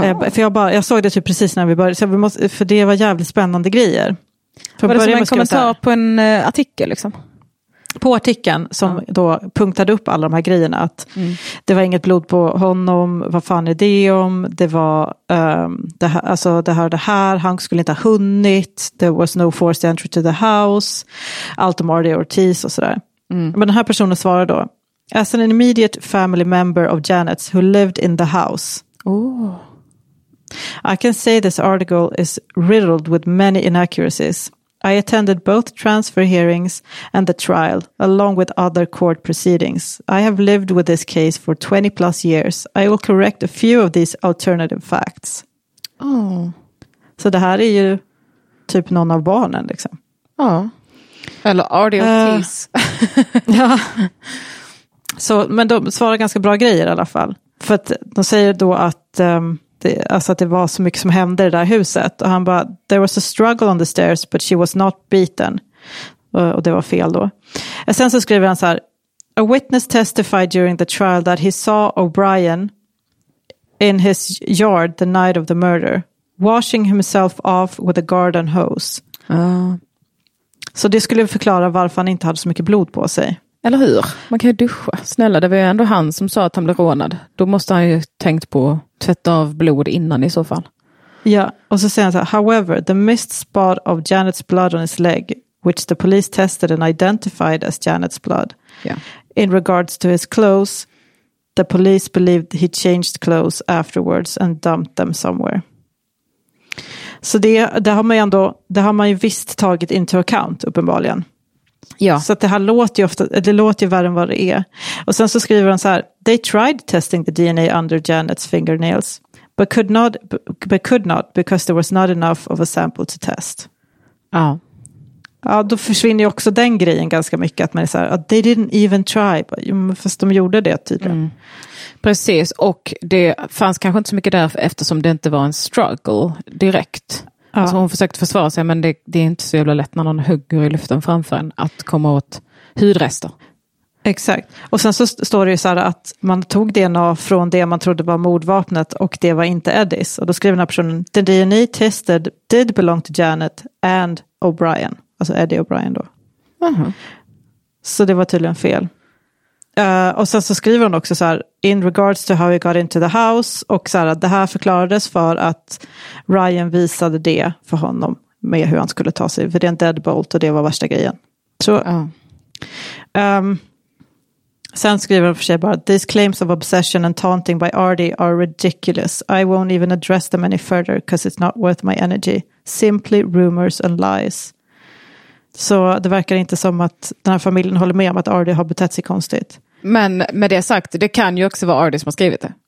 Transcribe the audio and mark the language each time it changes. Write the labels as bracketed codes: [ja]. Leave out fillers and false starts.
[sv] För jag såg det typ precis när vi började. Så vi måste, för det var jävligt spännande grejer. För var det som en kommentar på en artikel liksom? På artikeln som då punktade upp alla de här grejerna. Att det var inget blod på honom. Vad fan är det om? Det var det här, alltså det här och det här. Han skulle inte ha hunnit. [en] There was no forced entry to the house. [sv] Allt om Artie Ortiz och sådär. Mm. Men den här personen svarar då: [en] as an immediate family member of Janet's who lived in the house. Ooh. I can say this article is riddled with many inaccuracies. I attended both transfer hearings and the trial, along with other court proceedings. I have lived with this case for 20 plus years. I will correct a few of these alternative facts. Oh. [sv] Så det här är ju typ någon av barnen liksom. Ja. Oh. Eller Artie Ortiz. Ja. Så, men de svarar ganska bra grejer i alla fall. För att de säger då att det, alltså att det var så mycket som hände i det där huset. Och han bara, [en] there was a struggle on the stairs, but she was not beaten. [sv] Och det var fel då. Och sen så skriver han så här: [en] a witness testified during the trial that he saw O'Brien in his yard the night of the murder, washing himself off with a garden hose. [sv] Så det skulle förklara varför han inte hade så mycket blod på sig. Eller hur? Man kan ju duscha. Snälla, det var ju ändå han som sa att han blev rånad. Då måste han ju tänkt på att tvätta av blod innan i så fall. Ja, och så säger han så här: [en] however, the missed spot of Janet's blood on his leg, which the police tested and identified as Janet's blood. Yeah. In regards to his clothes, the police believed he changed clothes afterwards and dumped them somewhere. [sv] Så det har man ju ändå, det har man ju visst tagit [en] into account, [sv] uppenbarligen. Ja. Så att det här låter ju ofta, det låter ju värre än vad det är. Och sen så skriver han så här: [en] they tried testing the DNA under Janet's fingernails, but could not because there was not enough of a sample to test. [sv] Ja. Ja, då försvinner ju också den grejen ganska mycket, att man är så här, [en] they didn't even try, [sv] fast de gjorde det tydligen. Mm. Precis, och det fanns kanske inte så mycket där eftersom det inte var en struggle direkt. Ja. Alltså hon försökte försvara sig, men det är inte så jävla lätt när någon hugger i luften framför en att komma åt hudrester. Exakt. Och sen så står det ju så här att man tog DNA från det man trodde var mordvapnet och det var inte Eddies. Och då skriver den här personen: [en] the DNA tested did belong to Janet and O'Brien. [sv] Alltså Eddie O'Brien då. Så det var tydligen fel. Och sen så skriver hon också så här: [en] in regards to how he got into the house, [sv] och så här, det här förklarades för att Ryan visade det för honom med hur han skulle ta sig, för det är en deadbolt och det var värsta grejen. Så sen skriver hon för sig bara: [en] these claims of obsession and taunting by Artie are ridiculous. I won't even address them any further because it's not worth my energy. Simply rumors and lies. [sv] Så det verkar inte som att den här familjen håller med om att Artie har betett sig konstigt. Men med det sagt, det kan ju också vara Artie som har skrivit det.